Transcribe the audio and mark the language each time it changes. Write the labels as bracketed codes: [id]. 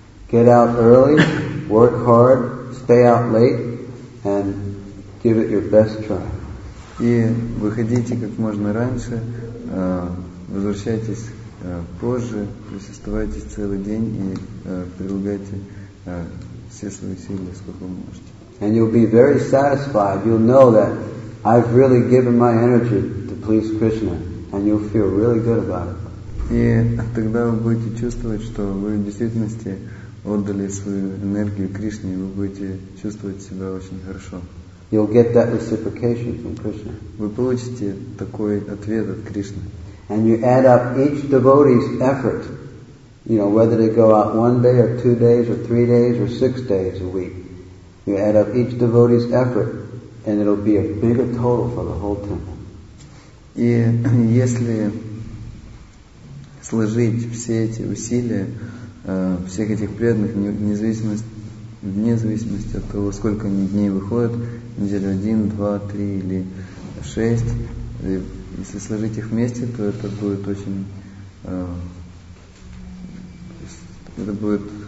[en] Get out early, work hard, stay out late, and give it your best try. [ru] И выходите как можно раньше, возвращайтесь позже, то есть оставайтесь целый день и прилагайте все свои силы, сколько вы можете. [en] And you'll be very satisfied. You'll know that I've really given my energy to please Krishna, and you'll feel really good about it. [ru] И тогда вы будете чувствовать, что вы в действительности отдали свою энергию Кришне, и вы будете чувствовать себя очень хорошо. [en] You'll get that reciprocation from Krishna. [ru] Вы получите такой ответ от Кришны. [en] And you add up each devotee's effort, you know, whether they go out one day or 2 days or 3 days or 6 days a week. You add up each devotee's effort, and it'll be a bigger total for the whole temple. [ru] И если сложить все эти усилия всех этих преданных, вне зависимости от того, сколько они дней выходят, неделю 1, 2, 3 или 6, если сложить их вместе, то это будет очень, это будет.